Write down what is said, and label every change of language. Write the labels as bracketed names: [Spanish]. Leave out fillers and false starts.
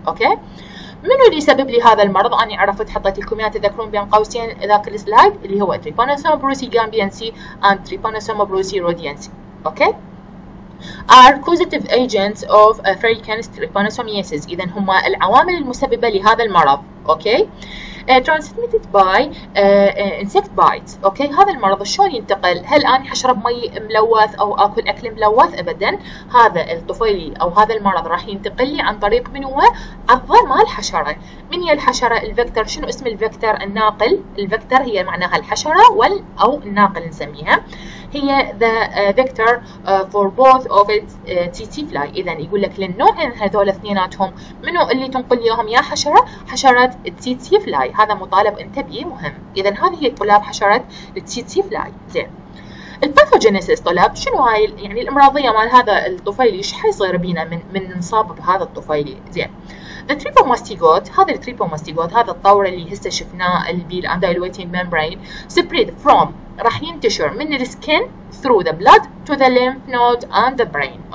[Arabic] اوكي، منو اللي سبب لي هذا المرض؟ انا عرفت حطيت لكم اياه تذكرون بين قوسين ذاك السلايد اللي هو تريبانوسوم بروسي جامبيانسي اند تريبانوسوم بروسي روديانسي. [English] Okay, are causative agents of African trypanosomiasis. [Arabic] إذا هما العوامل المسببة لهذا المرض. [English] Okay. Transmitted by insect bites. Okay. [Arabic] هذا المرض شلون ينتقل؟ هل أنا حشرب مي ملوث أو آكل أكل ملوث؟ أبداً. هذا الطفيلي أو هذا المرض راح ينتقل لي عن طريق من هو؟ الضار مال الحشرة. من هي الحشرة؟ الفيكتور. شنو اسم الفيكتور؟ الناقل. الفيكتور هي معناها الحشرة وال أو الناقل نسميها. [English] هي the vector for both of its TT fly. [Arabic] إذن يقول لك للنوعين هذول اثنيناتهم منو اللي تنقل ليهم يا حشرة؟ حشرة TT fly. هذا مطالب انت بيه مهم. إذن هذه هي طلاب حشرة TT fly. زين الباثوجينيسيس طلاب شنو هاي يعني الامراضية مال هذا الطفيلي؟ ايش حيصير بينا من نصاب بهذا الطفيلي؟ زين التريبوماستيغوت، هذا التريبوماستيغوت هذا الطور اللي هسه شفناه البي الاندايلويتين ممبرين [English] spread from [Arabic] راح ينتشر من السكن [English] through the blood to the lymph node and the brain.